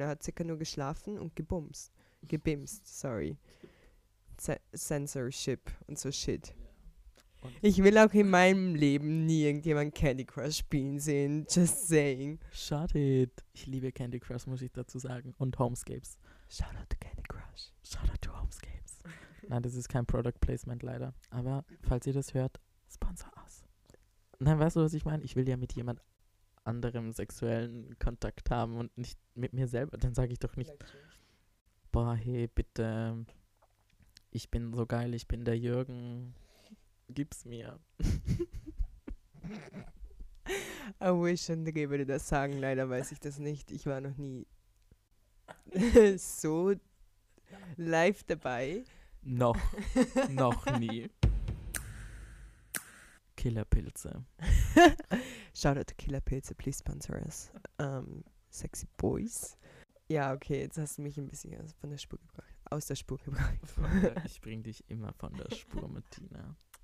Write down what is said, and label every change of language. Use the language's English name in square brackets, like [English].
[German] Er hat circa nur geschlafen und gebumst. Gebimst, sorry. Censorship und so shit. Ich will auch in meinem Leben nie irgendjemand Candy Crush spielen sehen. [English] Just saying. Shut it. [German] Ich liebe Candy Crush, muss ich dazu sagen. Und Homescapes. [English] Shout out to Candy Crush. Shout out to Homescapes. [German] Nein, das ist kein Product Placement leider. Aber falls ihr das hört, [English] sponsor us. [German] Nein, weißt du, was ich meine? Ich will ja mit jemand anderem sexuellen Kontakt haben und nicht mit mir selber. Dann sage ich doch nicht, boah, hey, bitte, ich bin so geil, ich bin der Jürgen. Gib's mir. [English] I wish, [German] André, würde das sagen. Leider weiß ich das nicht. Ich war noch nie so live dabei. Noch nie. Killerpilze. [English] Shout out to Killerpilze, please sponsor us. Sexy Boys. [German] Ja, okay, jetzt hast du mich ein bisschen von der Spur gebracht. Aus der Spur gebracht. Ich bring dich immer von der Spur, Martina.